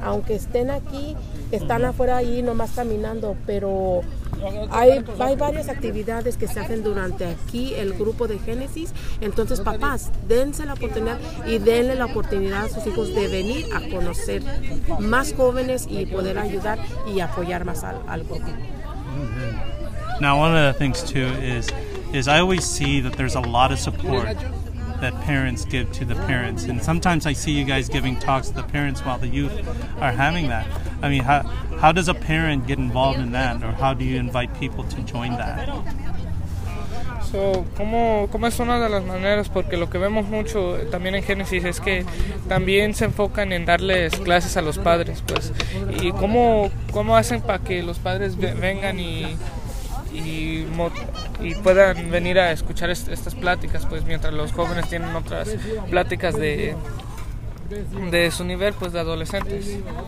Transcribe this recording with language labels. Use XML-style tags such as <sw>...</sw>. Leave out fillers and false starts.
<es>Aunque estén aquí, están afuera ahí nomás caminando, pero hay varias actividades que se hacen durante aquí el grupo de Génesis. Entonces, papás, dense la oportunidad y denle la oportunidad a sus hijos de venir a conocer más jóvenes y poder ayudar y apoyar más al grupo.</es> <en>Now, one of the things too is I always see that there's a lot of support that parents give to the parents. And sometimes I see you guys giving talks to the parents while the youth are having that. I mean, how does a parent get involved in that? Or how do you invite people to join that?</en> <es>So, ¿cómo es una de las maneras? Porque lo que vemos mucho también en Génesis es que también se enfocan en darles clases a los padres, pues. ¿Y cómo hacen para que los padres vengan y puedan venir a escuchar estas pláticas, pues, mientras los jóvenes tienen otras pláticas de su nivel, pues, de adolescentes?</es>